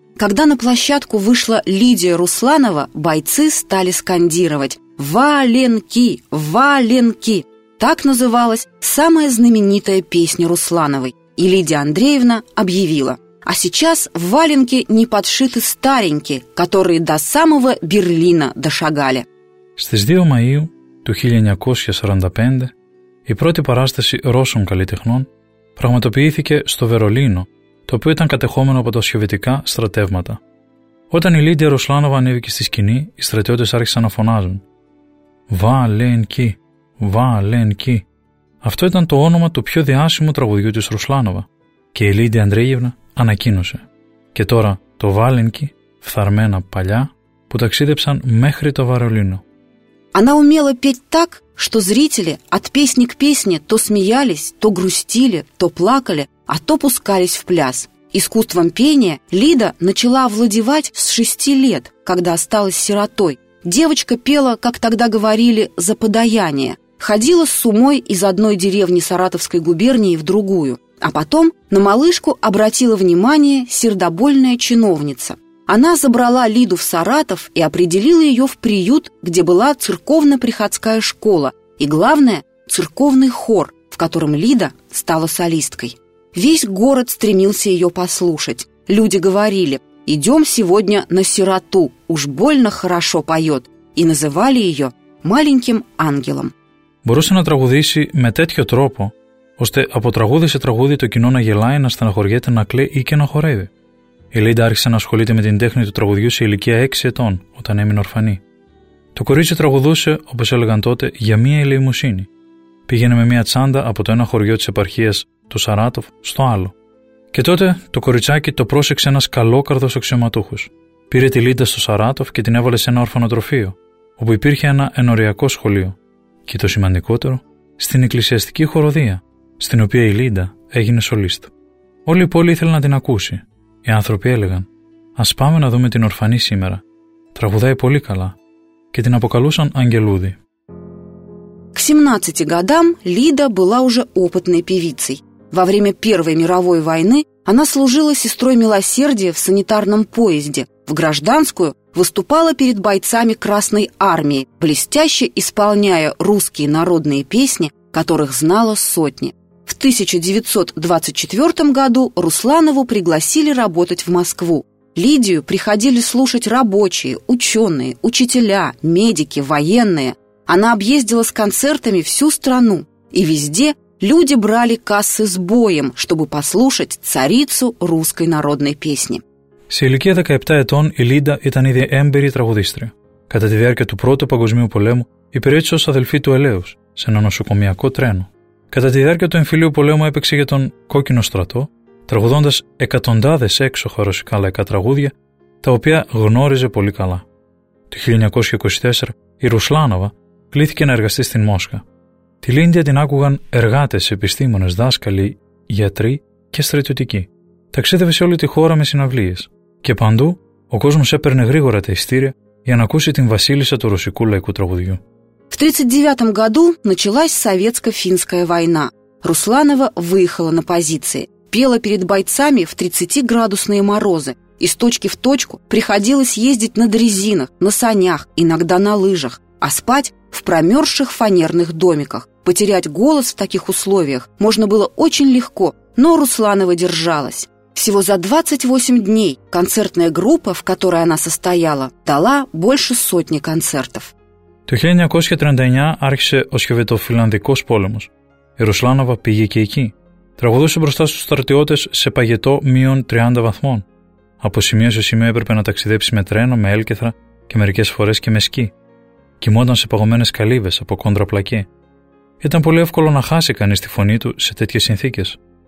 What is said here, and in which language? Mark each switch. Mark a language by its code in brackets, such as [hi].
[ru] Когда на площадку вышла Лидия Русланова, бойцы стали скандировать «Валенки! Валенки!» Так называлась самая знаменитая песня Руслановой. И Лидия Андреевна объявила: «А сейчас валенки не подшиты старенькие, которые до самого Берлина дошагали». [el] Στις 2 Μαΐου του 1945, η πρώτη παράσταση Ρώσων καλλιτεχνών πραγματοποιήθηκε στο Βερολίνο, το οποίο ήταν κατεχόμενο από τα σοβιετικά στρατεύματα. Όταν η Λίντια Ρουσλάνοβα ανέβηκε στη σκηνή, οι στρατιώτες άρχισαν να φωνάζουν «Βα-λεν-κι, Βα-λεν-κι». Αυτό ήταν το όνομα του πιο διάσημου τραγουδιού της Ρουσλάνοβα και η Λίντια Ανδρέγευνα ανακοίνωσε. Και τώρα το «Βα-λεν-κι», φθαρμένα παλιά, που ταξίδεψαν μέχρι το Βερολίνο. [ru] Она умела петь так, что зрители от песни к песне то смеялись, то грустили, то плакали, а то пускались в пляс. Искусством пения Лида начала овладевать с 6 лет, когда осталась сиротой. Девочка пела, как тогда говорили, за подаяние. Ходила с сумой из одной деревни Саратовской губернии в другую. А потом на малышку обратила внимание сердобольная чиновница. Она забрала Лиду в Саратов и определила ее в приют, где была церковно-приходская школа и, главное, церковный хор, в котором Лида стала солисткой. Весь город стремился ее послушать. Люди говорили: «Идем сегодня на сироту, уж больно хорошо поет», и называли ее «маленьким ангелом». [el] Μπορούσε να τραγουδήσει με τέτοιο τρόπο, ώστε από τραγούδι σε τραγούδι το κοινό να γελάει, να στεναχωριέται, να κλαίει ή και να χορεύει. Η Λίντα άρχισε να ασχολείται με την τέχνη του τραγουδιού σε ηλικία 6 ετών, όταν έμεινε ορφανή. Το κορίτσι τραγουδούσε, όπως έλεγαν τότε, για μία ελεημοσύνη. Πήγαινε με μία τσάντα από το ένα χωριό της επαρχίας, το Σαράτοφ, στο άλλο. Και τότε το κοριτσάκι το πρόσεξε ένας καλόκαρδος αξιωματούχος. Πήρε τη Λίντα στο Σαράτοφ και την έβαλε σε ένα ορφανοτροφείο, όπου υπήρχε ένα ενοριακό σχολείο. Και το σημαντικότερο, στην εκκλησιαστική χοροδία, στην οποία η Λίντα έγινε σολίστ. Όλη η πόλη ήθελε να την ακούσει. Οι άνθρωποι έλεγαν: «Ας πάμε να δούμε την ορφανή σήμερα. Τραγουδάει πολύ καλά». Και την αποκαλούσαν Αγγελούδη. [ru] К 17 годам Лида была уже опытной певицей. Во время Первой мировой войны она служила сестрой милосердия в санитарном поезде. В гражданскую выступала перед бойцами Красной армии, блестяще исполняя русские народные песни, которых знала сотни. В 1924 году Русланову пригласили работать в Москву. Лидию приходили слушать рабочие, ученые, учителя, медики, военные. Она объездила с концертами всю страну. И везде люди брали кассы с боем, чтобы послушать царицу русской народной песни. [el] Σε ηλικία 17 ετών η Λίντα ήταν ήδη έμπειρη τραγουδίστρια. Κατά τη διάρκεια του Πρώτου Παγκοσμίου Πολέμου υπηρέτησε ως αδελφή του Ελέους σε ένα νοσοκομιακό τρένο. Κατά τη διάρκεια του εμφυλίου πολέμου έπαιξε για τον Κόκκινο Στρατό, τραγουδώντας εκατοντάδες έξοχα ρωσικά λαϊκά τραγούδια, τα οποία γνώριζε πολύ καλά. Το 1924 η Ρουσλάνοβα κλήθηκε να εργαστεί στην Μόσχα. Τη Λίντια την άκουγαν εργάτες, επιστήμονες, δάσκαλοι, γιατροί και στρατιωτικοί. Ταξίδευε σε όλη τη χώρα με συναυλίες. Και παντού ο κόσμος έπαιρνε γρήγορα τα εισιτήρια για να ακούσει την βασίλισσα του ρωσικού λαϊκού τραγουδιού. [ru] В 1939 году началась Советско-финская война. Русланова выехала на позиции, пела перед бойцами в 30-градусные морозы. Из точки в точку приходилось ездить на дрезинах, на санях, иногда на лыжах, а спать в промерзших фанерных домиках. Потерять голос в таких условиях можно было очень легко, но Русланова держалась. Всего за 28 дней концертная группа, в которой она состояла, дала больше сотни концертов. [el] Το 1939 άρχισε ο Σοβιετοφιλανδικός πόλεμος. Η Ρουσλάνοβα πήγε και εκεί. Τραγουδούσε μπροστά στους στρατιώτες σε παγετό μείον 30 βαθμών. Από σημείο σε σημείο έπρεπε να ταξιδέψει με τρένο, με έλκεθρα και μερικές φορές και με σκι. Κοιμόταν σε παγωμένες καλύβες από κόντρα πλακέ. Ήταν πολύ εύκολο να χάσει κανείς τη φωνή του σε τέτοιες συνθήκες.